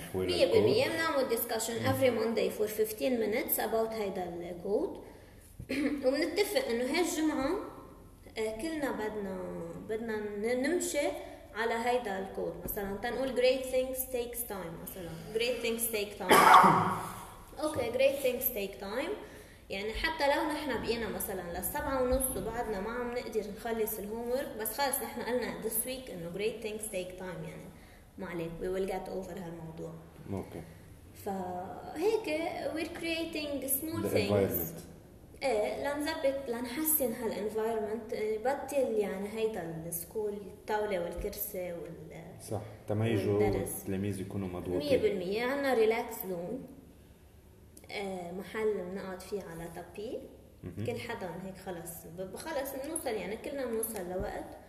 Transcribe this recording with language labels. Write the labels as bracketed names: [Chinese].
[Arabic] حوالي 100% بنعمل ديسكشن [English] every Monday for 15 minutes about [Arabic] هيدا الكود وبنتفق انه هالجمعة كلنا بدنا نمشي على هيدا الكود مثلا تنقول [English] great things takes time [Arabic] مثلا [English] great things take time okay great things take time [Arabic] يعني حتى لو نحن بقينا مثلا للسبعة ونص وبعدنا ما عم نقدر نخلص الهومورك بس خلص نحن قلنا [English] this week [Arabic] انه [English] great things take time [Arabic] يعني ما عليك [English] we will get over [Arabic] هالموضوع. [English] Okay. [Arabic] فهيك [English] we're creating small the things. Environment. [Arabic] إيه لنزبط لنحسن هالenvironment بطل يعني هيدا السكول الطاولة والكرسي وال. صح. تما يجوا تلاميذ يكونوا مضغوطين. 100% عنا [English] relax zone [Arabic] محل بنقعد فيه على تابي كل حدا هيك خلص بخلص نوصل يعني كلنا بنوصل لوقت.